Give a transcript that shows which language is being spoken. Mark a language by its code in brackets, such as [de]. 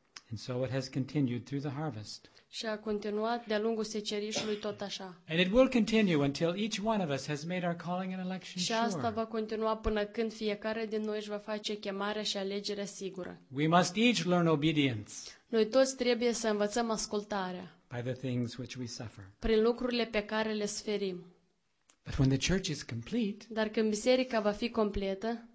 [en] And so it has continued through the harvest. [ro] Și a continuat de-a lungul secerișului tot așa. [en] And it will continue until each one of us has made our calling and election sure. [ro] Și asta va continua până când fiecare din noi își va face chemarea și alegerea sigură. [en] We must each learn obedience. [ro] Noi toți trebuie să învățăm ascultarea. [en] By the things which we suffer. [ro] Prin lucrurile pe care le suferim. [en] But when the church is complete. [ro] Dar când biserica va fi completă.